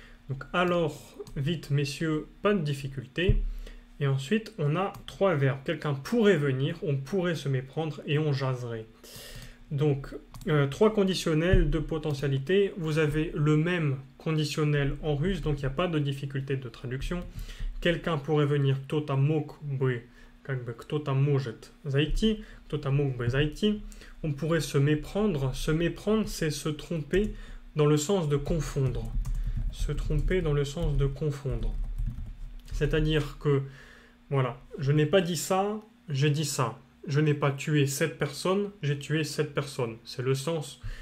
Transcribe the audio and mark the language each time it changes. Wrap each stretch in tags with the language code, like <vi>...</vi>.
<fr>Donc alors, vite messieurs, pas de difficulté, et ensuite on a trois verbes. Quelqu'un pourrait venir, on pourrait se méprendre et on jaserait. Donc, trois conditionnels de potentialité, vous avez le même conditionnel en russe, donc il n'y a pas de difficulté de traduction. Quelqu'un pourrait venir,</fr> <ru>кто-то мог бы, как бы, кто-то может зайти, кто-то мог бы зайти.</ru> <fr>On pourrait se méprendre. Se méprendre, c'est se tromper dans le sens de confondre. Se tromper dans le sens de confondre. C'est-à-dire que, voilà, je n'ai pas dit ça, j'ai dit ça. Je n'ai pas tué cette personne, j'ai tué cette personne. C'est le sens</fr>